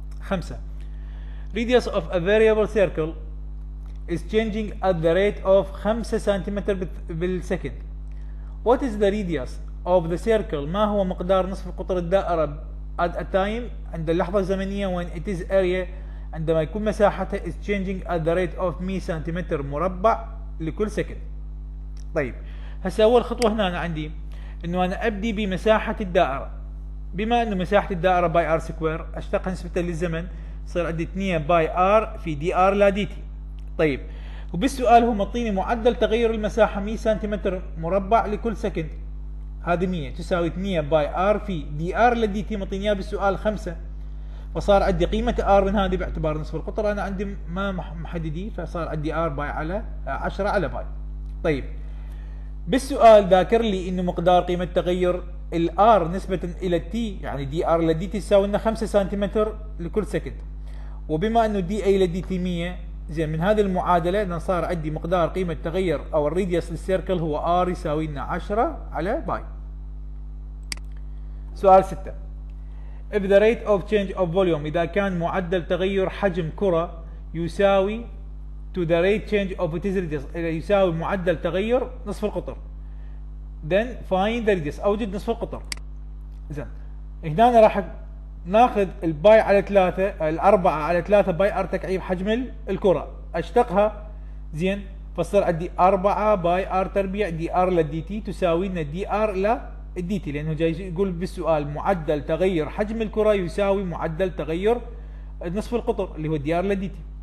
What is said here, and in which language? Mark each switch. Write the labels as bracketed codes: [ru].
[en] 5، radius of a variable circle is changing at the rate of 5 [ar] سنتيمتر بالسكند. [en] What is the radius of the circle؟ [ar] ما هو مقدار نصف قطر الدائرة [en] at a time، [ar] عند اللحظة الزمنية، [en] when it is area، [ar] عندما يكون مساحتها [en] is changing at the rate of 100 [ar] سنتيمتر مربع لكل سكند. طيب هسه أول خطوة هنا أنا عندي أنه أنا أبدي بمساحة الدائرة، بما أنه مساحة الدائرة [en] by r square [ar] أشتقها نسبة للزمن، صار عندي 2 باي ار في دي ار لا دي تي. طيب وبالسؤال هو مطيني معدل تغير المساحه 100 سنتيمتر مربع لكل سكند، هذه 100 تساوي 2 باي ار في دي ار لا دي تي، مطيني اياها بالسؤال 5، فصار عندي قيمه ار من هذه باعتبار نصف القطر انا عندي ما محددي، فصار عندي ار باي على 10 على باي. طيب بالسؤال ذاكر لي انه مقدار قيمه تغير الار نسبة الى تي يعني دي ار لدي تي تساوي لنا 5 سنتيمتر لكل سكند، وبما انه دي اي لدي تي 100، زين من هذه المعادلة انا صار عندي مقدار قيمة تغير او الريديوس للسيركل هو ار يساوي لنا 10 على باي. [en] سؤال 6، if the rate of change of volume، [ar] اذا كان معدل تغير حجم كرة يساوي [en] to the rate change of its radius [ar] يساوي معدل تغير نصف القطر، [en] then find the radius، [ar] اوجد نصف القطر. زين هنا انا راح ناخذ الباي على 3 الاربعة على 3 باي ار تكعيب حجم الكرة اشتقها، زين فصار عندي 4 باي ار تربيع دي ار لدي تي تساوي لنا دي ار لدي تي، لانه جاي يقول بالسؤال معدل تغير حجم الكرة يساوي معدل تغير نصف القطر اللي هو دي ار لدي تي.